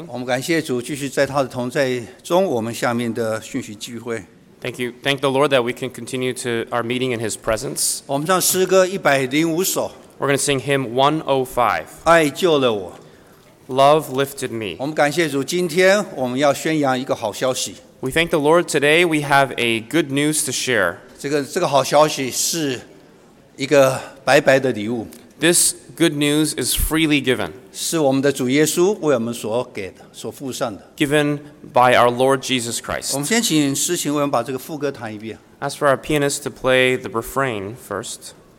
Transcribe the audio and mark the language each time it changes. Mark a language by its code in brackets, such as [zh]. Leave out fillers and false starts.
[zh] 我们感谢主，继续在他的同在中，我们下面的信息聚会。 [en] Thank you. Thank the Lord that we can continue to our meeting in His presence. [zh] 我们唱诗歌105首。 [en] We're going to sing hymn 105. [zh] 爱救了我。 [en] Love lifted me. [zh] 我们感谢主，今天我们要宣扬一个好消息。 [en] We thank the Lord today. We have a good news to share. [zh] 这个好消息是一个白白的礼物。 [en] This good news is freely given. [zh] 是我们的主耶稣为我们所给的，所付上的。 [en] Given by our Lord Jesus Christ. [zh] 我们先请诗琴为我们把这个副歌弹一遍。 [en] Ask for our pianist to play the refrain first.